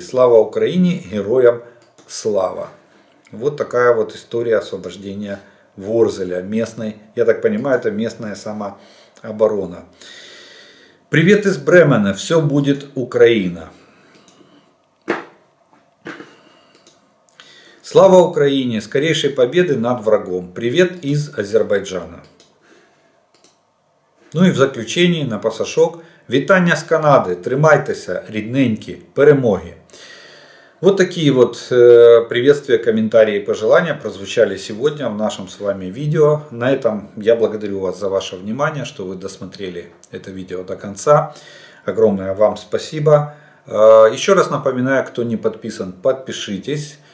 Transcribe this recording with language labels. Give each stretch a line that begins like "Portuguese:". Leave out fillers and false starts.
Ukrainian: Слава Україні, героям слава. От така от історія освобождення Ворзеля. Місний, я так розумію, це місна самооборона. Привіт із Бремена, все буде Україна.
Russian: Слава Украине! Скорейшей победы над врагом! Привет из Азербайджана! Ну и в заключении, на пасашок, витание с Канады!
Ukrainian: Тримайтеся, рідненькі, перемоги!
Russian: Вот такие вот приветствия, комментарии и пожелания прозвучали сегодня в нашем с вами видео. На этом я благодарю вас за ваше внимание, что вы досмотрели это видео до конца. Огромное вам спасибо! Еще раз напоминаю, кто не подписан, подпишитесь!